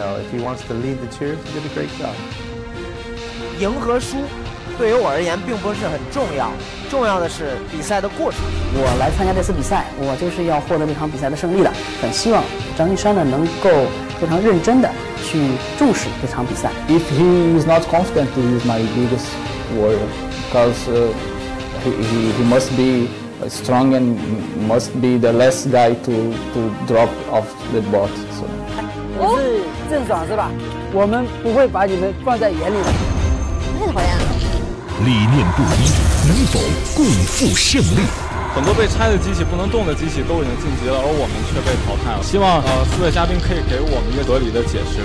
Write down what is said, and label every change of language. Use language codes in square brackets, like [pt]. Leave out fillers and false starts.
[en] If he wants to lead the cheers, he did a great job. [zh] 赢和输对于我而言并不是很重要，重要的是比赛的过程。我来参加这次比赛，我就是要获得这场比赛的胜利的。很希望张一山呢能够非常认真的去重视这场比赛。 [en] If he is not confident, he is my biggest worry, because he must be strong and must be the last guy to drop off the bot. [zh] 我是郑爽是吧？我们不会把你们放在眼里的。太讨厌了。理念不一，能否共赴胜利？很多被拆的机器、不能动的机器都已经晋级了，而我们却被淘汰了。希望四位嘉宾可以给我们一个合理的解释。